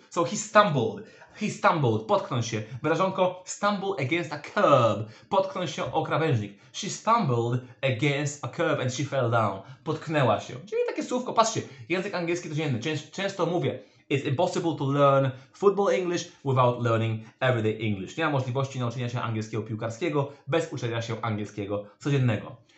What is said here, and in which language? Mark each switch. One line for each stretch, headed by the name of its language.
English: So he stumbled,
Polish: potknął się.
English: Wyrażonko stumble against a curb.
Polish: Potknął się o krawężnik.
English: She stumbled against a curb and she fell down.
Polish: Potknęła się. Czyli takie słówko, patrzcie, język angielski to dzienny. Często mówię.
English: It's impossible to learn football English without learning everyday English.
Polish: Nie ma możliwości nauczenia się angielskiego piłkarskiego bez uczenia się angielskiego codziennego.